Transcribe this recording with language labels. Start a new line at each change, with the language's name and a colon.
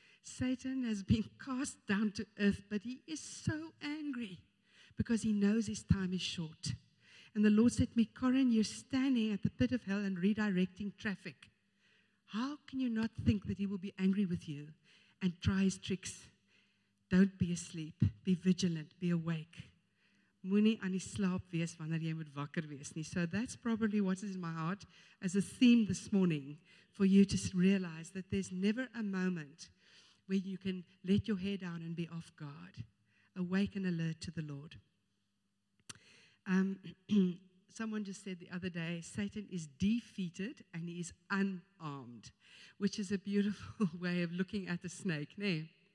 English: Satan has been cast down to earth, but he is so angry because he knows his time is short. And the Lord said to me, Corin, you're standing at the pit of hell and redirecting traffic. How can you not think that he will be angry with you and try his tricks? Don't be asleep. Be vigilant. Be awake.
Afrikaans: Moenie aan die slaap wees wanneer jy moet wakker wees nie.
English: So that's probably what is in my heart as a theme this morning, for you to realize that there's never a moment where you can let your hair down and be off guard. Awake and alert to the Lord. Someone just said the other day, Satan is defeated and he is unarmed, which is a beautiful way of looking at the snake, nee?